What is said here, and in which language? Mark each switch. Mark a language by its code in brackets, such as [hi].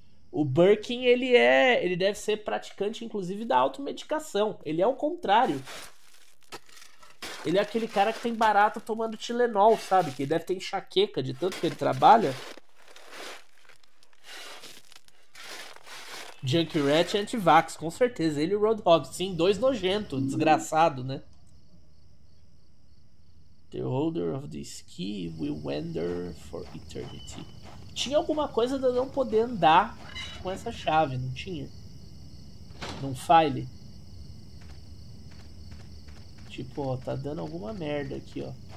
[pt] O Birkin, ele deve ser praticante, inclusive, da automedicação. Ele é o contrário. Ele é aquele cara que tem barato tomando Tilenol, sabe? Que deve ter enxaqueca de tanto que ele trabalha. Junkrat é anti-vax, com certeza. Ele e o Roadhog. Sim, dois nojentos. Desgraçado, né? [en] The holder of this key will wander for eternity. [pt] Tinha alguma coisa de eu não poder andar com essa chave, não tinha? Num file. Tipo, ó, tá dando alguma merda aqui, ó.